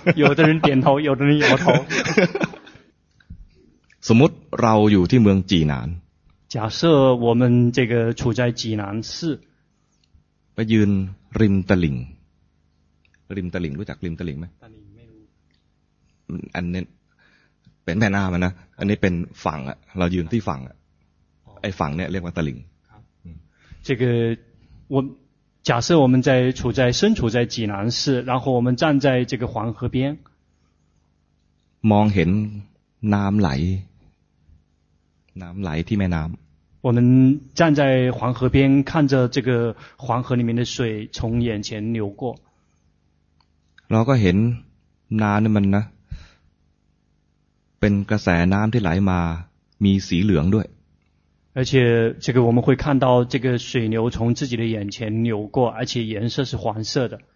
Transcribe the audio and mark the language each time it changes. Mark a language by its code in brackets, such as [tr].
[zh] 有的人点头有的人摇头 [th] สมมติเราอยู่ที่เมืองจีนาน [zh] 假设我们这个处在济南市 [th] ไปยืนริมตะลิ่งริมตะลิ่งรู้จักริมตะลิ่งไหม ตะลิ่งไม่รู้อันนี้เป็นแม่น้ำนะอันนี้เป็นฝั่งอ่ะเรายืนที่ฝั่งอ่ะไอ้ฝั่งเนี่ยเรียกว่าตะลิ่ง ครับ [zh] 这个我假设我们在处在身处在济南市然后我们站在这个黄河边 [th] มองเห็นน้ำไหลน้ำไหลที่แม่น้ำ [zh] 我们站在黄河边看着这个黄河里面的水从眼前流过 [th] เราก็เห็นน้ำนี่มันนะเป็นกระแสน้ำที่ไหลมามีสีเหลืองด้วย [zh] 而且这个我们会看到这个水流从自己的眼前流过而且颜色是黄色的